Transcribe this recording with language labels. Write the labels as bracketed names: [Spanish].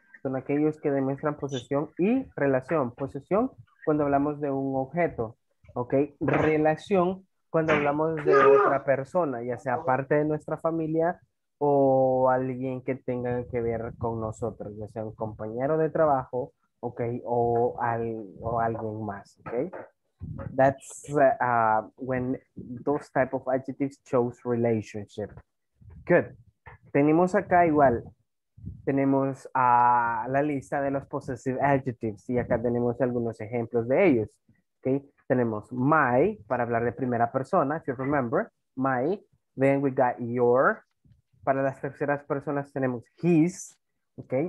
[Spanish] Son aquellos que demuestran posesión y relación. Posesión cuando hablamos de un objeto, okay. Relación cuando hablamos de otra persona, ya sea parte de nuestra familia o alguien que tenga que ver con nosotros, ya sea un compañero de trabajo, okay, o alguien más, okay. [English] That's when those type of adjectives shows relationship. Good. [Spanish] Tenemos acá igual, tenemos la lista de los possessive adjectives y acá tenemos algunos ejemplos de ellos, okay. Tenemos my, para hablar de primera persona, [English] if you remember, my. Then we got your. [Spanish] Para las terceras personas tenemos his, okay.